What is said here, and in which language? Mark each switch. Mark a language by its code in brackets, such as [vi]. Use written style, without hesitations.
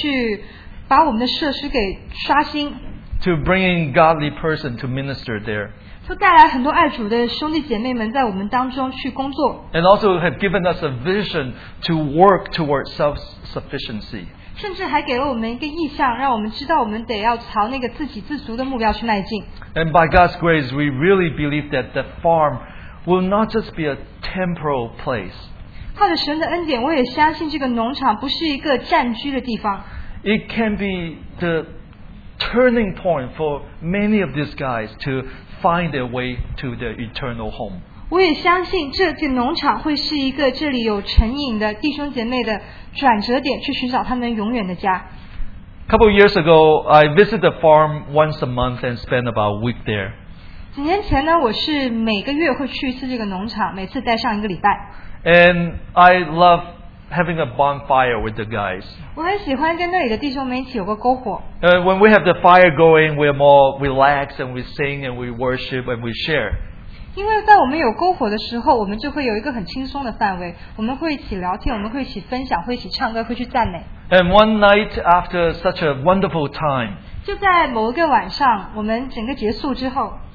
[zh] 神给了我们资金，让我们重新的去把我们的设施给刷新。 [en] To bring in godly person to minister there. [zh] 就带来很多爱主的兄弟姐妹们在我们当中去工作。 [en] And also have given us a vision to work towards self-sufficiency. [zh] 甚至还给了我们一个意向，让我们知道我们得要朝那个自给自足的目标去迈进。 [en] And by God's grace, we really believe that the farm will not just be a temporal place. [zh] 靠着神的恩典，我也相信这个农场不是一个暂居的地方。 [en] It can be the turning point for many of these guys to find their way to their eternal home. [zh] 我也相信这个农场会是一个这里有成瘾的弟兄姐妹的转折点，去寻找他们永远的家。 [en] couple of years ago, I visited the farm once a month and spent about a week there. [zh] 几年前呢, 我是每个月会去一次这个农场, 每次待上一个礼拜。 [en] And I love having a bonfire with the guys. [zh] 我很喜欢跟那里的弟兄们一起有个篝火。 [en] When we have the fire going, we're more relaxed and we sing and we worship and we share. [zh] 因为在我们有篝火的时候, 我们就会有一个很轻松的范围, 我们会一起聊天, 我们会一起分享, 会一起唱歌, 会去赞美。 [en] And one night after such a wonderful time, [zh] 就在某一个晚上, 我们整个结束之后,